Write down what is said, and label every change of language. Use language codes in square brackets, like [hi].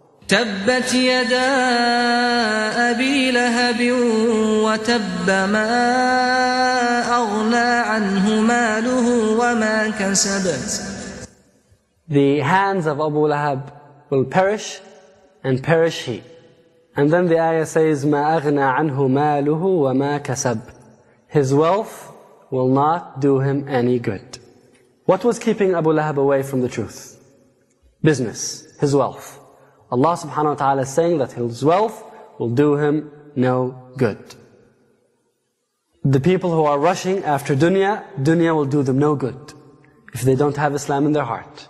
[ar] تَبَّتْ يَدَا أَبِي لَهَبٍ وَتَبَّ مَا أَغْنَى عَنْهُ مَالُهُ وَمَا كَسَبَتْ. [en] The hands of Abu Lahab will perish, and perish he. And then the ayah says, [ar] مَا أَغْنَى عَنْهُ مَالُهُ وَمَا كَسَبْ. [en] His wealth will not do him any good. What was keeping Abu Lahab away from the truth? Business, his wealth. Allah subhanahu wa ta'ala is saying that his wealth will do him no good. The people who are rushing after dunya, dunya will do them no good if they don't have Islam in their heart.